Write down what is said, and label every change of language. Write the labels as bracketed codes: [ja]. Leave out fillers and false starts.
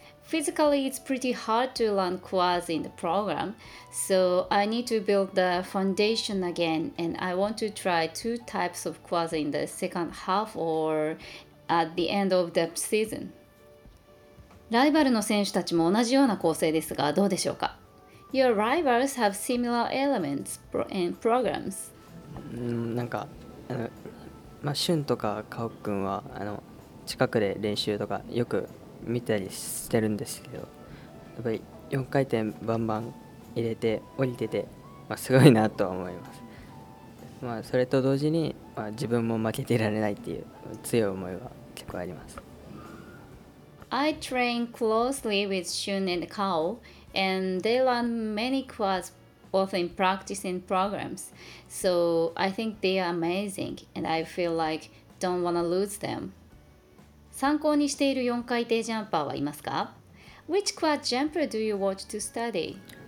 [en] Physically, it's pretty hard to learn quads in the program, so I need to build the foundation again, and I want to try two types of quads in the second half or at the end of the season. [ja] ライバルの選手たちも同じような構成ですが、どうでしょうか? [en] Your rivals have similar elements and programs. [ja] なんか、まあ、シュンとかカオ君は近くで練習とかよく見たりしてるんですけど、やっぱり4回転バンバン入れて降りてて、まあ、すごいなとは思います。まあ、それと同時に、まあ、自分も負けてられないっていう強い思いは結構あります。 [en] I train closely with Shun and Kao, and they learn many quads both in practice and programs. So I think they are amazing, and I feel like don't want to lose them. [ja] 参考にしている4回転ジャンパーはいますか? [en] Which quad jumper do you watch to study?